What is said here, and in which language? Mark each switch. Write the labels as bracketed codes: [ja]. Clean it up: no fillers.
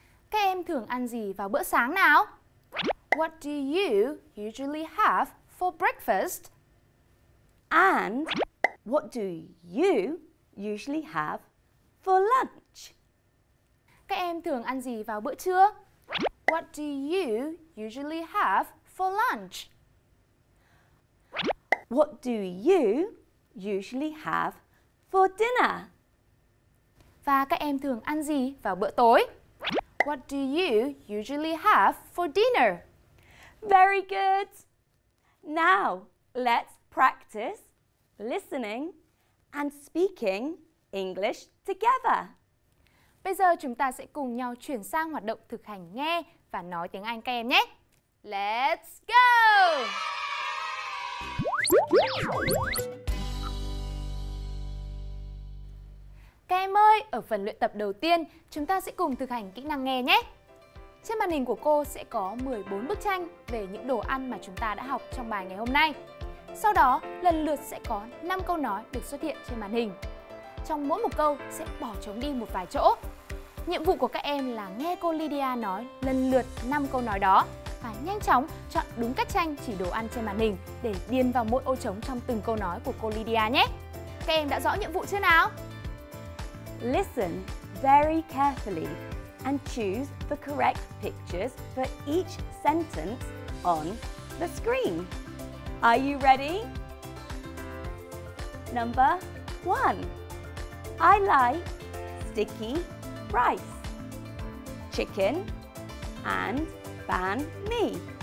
[vi] Các em thường ăn gì vào bữa sáng nào? [en] What do you usually have for breakfast? And what do you usually have for lunch? [vi] Các em thường ăn gì vào bữa trưa? [en] What do you usually have for lunch? What do you usually have for dinner? [vi] Và các em thường ăn gì vào bữa tối? [en] What do you usually have for dinner? Very good. Now, let's practice listening and speaking English together. [vi] Bây giờ chúng ta sẽ cùng nhau chuyển sang hoạt động thực hành nghe và nói tiếng Anh các em nhé. [en] Let's go! [vi] Các em ơi, ở phần luyện tập đầu tiên, chúng ta sẽ cùng thực hành kỹ năng nghe nhé. Trên màn hình của cô sẽ có 14 bức tranh về những đồ ăn mà chúng ta đã học trong bài ngày hôm nay. Sau đó, lần lượt sẽ có 5 câu nói được xuất hiện trên màn hình. Trong mỗi một câu sẽ bỏ trống đi một vài chỗ. Nhiệm vụ của các em là nghe cô Lydia nói lần lượt 5 câu nói đó và nhanh chóng chọn đúng các tranh chỉ đồ ăn trên màn hình để điền vào mỗi ô trống trong từng câu nói của cô Lydia nhé. Các em đã rõ nhiệm vụ chưa nào? [en] Listen very carefully and choose the correct pictures for each sentence on the screen. Are you ready? Number one. I like sticky rice, chicken, and banh mi.